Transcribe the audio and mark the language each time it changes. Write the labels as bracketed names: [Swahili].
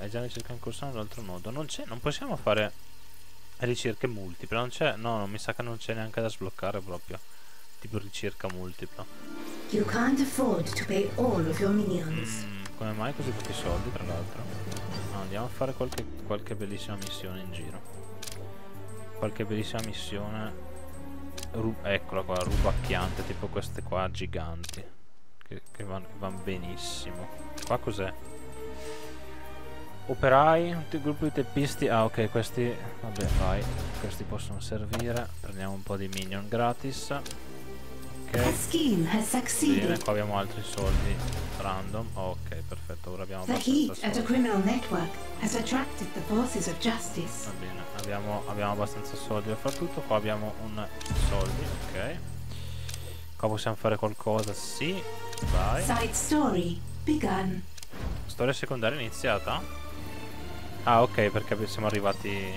[Italian] È già ricerca in corso in un altro nodo. Non possiamo fare ricerche multiple, non c'è. No, mi sa che non c'è neanche da sbloccare proprio. Tipo ricerca multipla. [English] You can't afford to pay all of your minions. [Italian] Come mai così pochi soldi, tra l'altro? No, andiamo a fare qualche bellissima missione in giro. Qualche bellissima missione. Eccola qua, rubacchiante, tipo queste qua giganti. Che vanno benissimo. Qua cos'è? Operai, tutti i gruppi di teppisti. Ah, ok, questi. Vabbè, vai. Questi possono servire. Prendiamo un po' di minion gratis. Ok. [English] A scheme has succeeded. [Italian] Bene, qua abbiamo altri soldi random. Ok, perfetto. Ora abbiamo. [English] The heat at a criminal network has attracted the forces of justice. [Italian] Va bene, abbiamo abbastanza soldi per far tutto. Qua abbiamo un soldi, ok. Qua possiamo fare qualcosa, sì. Vai. [English] Side story begun. [Italian] Storia secondaria iniziata? Ah, ok, perché siamo arrivati.